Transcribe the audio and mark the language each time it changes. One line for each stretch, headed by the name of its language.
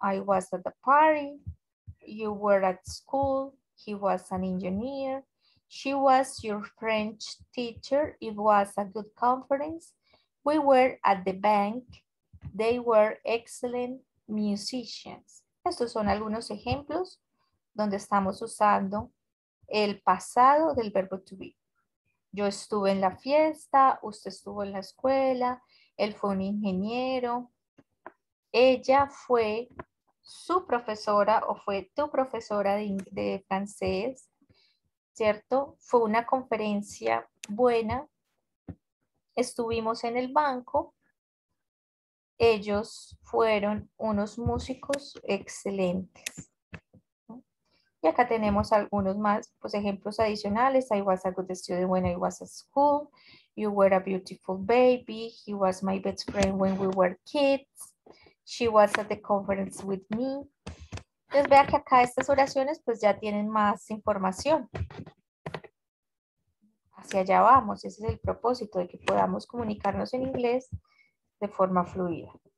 English: I was at the party, you were at school, he was an engineer, she was your French teacher, it was a good conference, we were at the bank, they were excellent musicians.
Spanish: Estos son algunos ejemplos donde estamos usando el pasado del verbo to be. Yo estuve en la fiesta, usted estuvo en la escuela, él fue un ingeniero, ella fue su profesora o fue tu profesora de francés, ¿cierto? Fue una conferencia buena, estuvimos en el banco, ellos fueron unos músicos excelentes. Y acá tenemos algunos más pues, ejemplos adicionales.
English: I was a good student when I was at school. You were a beautiful baby. He was my best friend when we were kids. She was at the conference with me.
Spanish: Entonces vea que acá estas oraciones pues ya tienen más información. Hacia allá vamos. Ese es el propósito de que podamos comunicarnos en inglés de forma fluida.